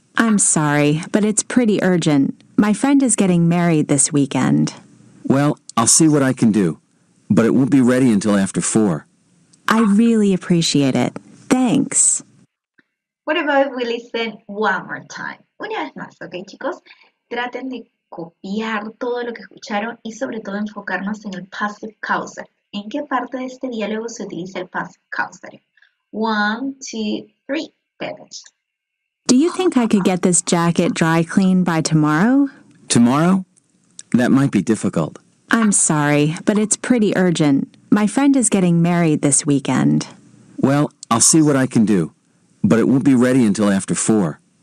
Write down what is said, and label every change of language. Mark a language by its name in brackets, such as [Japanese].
[English] I'm sorry, but it's pretty urgent. My friend is getting married this weekend. Well, I'll see what I can do, but it won't be ready until after four. I really appreciate it. Thanks. What about if we listen one more time? [Spanish] Una vez más, okay, chicos? Traten de copiar todo lo que escucharon y sobre todo enfocarnos en el passive causal. ¿En qué parte de este diálogo se utiliza el passive causal? [English] One, two, three. Perfect. Do you think I could get this jacket dry cleaned by tomorrow? Tomorrow? That might be difficult. I'm sorry, but it's pretty urgent. My friend is getting married this weekend. Well, I'll see what I can do, but it won't be ready until after four.